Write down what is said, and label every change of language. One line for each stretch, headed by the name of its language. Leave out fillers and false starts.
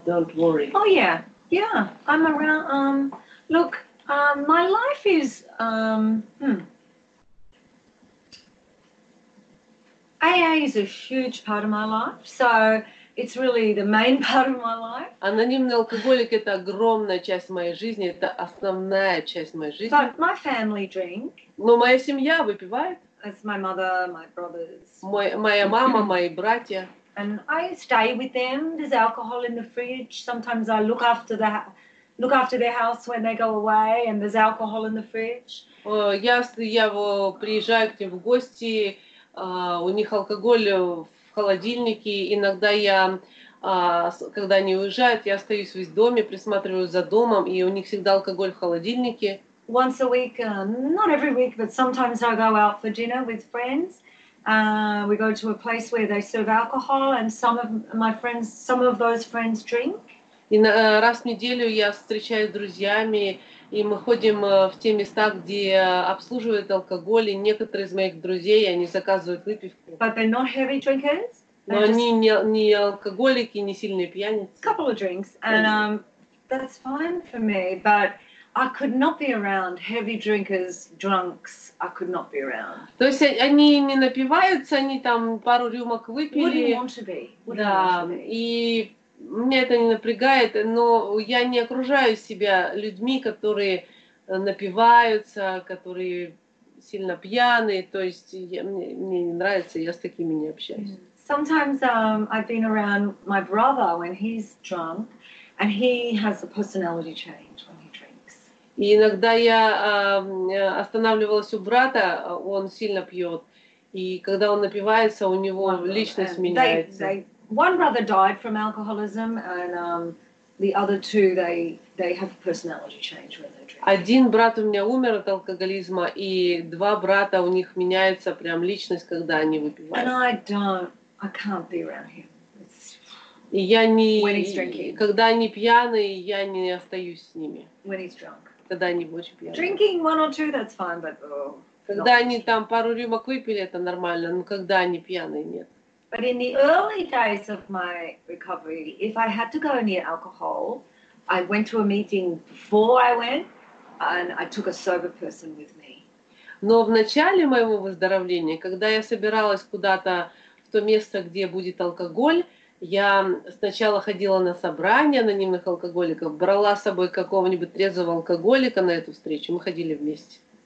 English: Don't worry. Oh yeah, I'm around. Look, my life is AA is a huge part of my life, so it's really the main part of my life.
Russian: Анонимный алкоголик – это огромная часть моей жизни, это основная часть моей жизни.
English: But my family drink.
Russian: Но моя семья выпивает.
English: It's my mother, my brothers.
Russian: Моя мама, мои братья.
English: And I stay with them. There's alcohol in the fridge. Sometimes I look after their house when they go away, and there's alcohol in the fridge.
Russian: Я приезжаю к ним в гости. у них алкоголь в холодильнике. Иногда я, когда они уезжают, я остаюсь весь в доме, присматриваю за домом, и у них всегда алкоголь в холодильнике.
English: Once a week, not every week, but sometimes I go out for dinner with friends. We go to a place where they serve alcohol, and some of those friends drink.
Russian: И раз в неделю я встречаюсь с друзьями, и мы ходим в те места, где обслуживают алкоголь, и некоторые из моих друзей, они заказывают выпивку.
English: But they're not heavy drinkers.
Russian: Но они не алкоголики, не сильные пьяницы.
English: Couple of drinks, and that's fine for me, but I could not be around heavy drinkers, drunks. I could not be around.
Russian: То есть они не напиваются, они там пару рюмок выпили.
English: Wouldn't want to be.
Russian: Да, и меня это не напрягает, но я не окружаю себя людьми, которые напиваются, которые сильно пьяны. То есть мне не нравится, я с такими не общаюсь.
English: Sometimes I've been around my brother when he's drunk, and he has a personality change.
Russian: И иногда я останавливалась у брата, он сильно пьет, и когда он напивается, у него личность меняется.
English: One brother died from alcoholism, and the other two they have personality change when they drink.
Russian: Один брат у меня умер от алкоголизма, и два брата у них меняется прям личность, когда они выпивают.
English: And I can't be around him.
Russian: Когда они пьяные, я не остаюсь с ними.
English: When he's drunk.
Russian: Когда они больше пьяны.
English: Drinking one or two, that's fine, but
Russian: когда они там пару рюмок выпили, это нормально, но когда они пьяные, нет.
English: But in the early days of my recovery, if I had to go near alcohol, I went to a meeting before I went, and I took a sober person with me.
Russian: Но в начале моего выздоровления, когда я собиралась куда-то в то место, где будет алкоголь, я сначала ходила на собрание анонимных алкоголиков, брала с собой какого-нибудь трезвого алкоголика на эту встречу, мы ходили вместе.